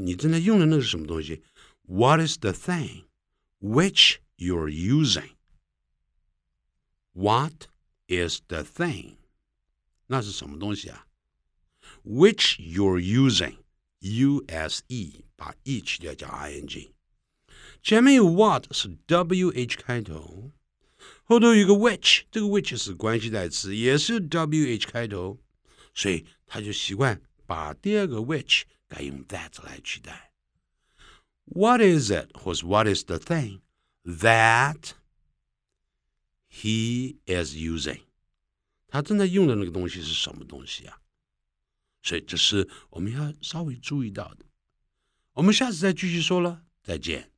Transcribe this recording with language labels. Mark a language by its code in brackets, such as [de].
[zh] 你正在用的那个是什么东西 [en] ？What is the thing which you're using？ What is the thing？ [zh] 那是什么东西啊 [en] ？Which you're using, use 把 e 去掉叫 ing。 [zh] 前面有 what 是 wh 开头，后头有个 which， 这个 which 是关系代词，也是 wh 开头，所以他就习惯把第二个 which 改用 that 来取代。 [en] What is it 或是 what is the thing that he is using？ [zh] 他正在用的那个东西是什么东西啊？所以这是我们要稍微注意到的。我们下次再继续说了，再见。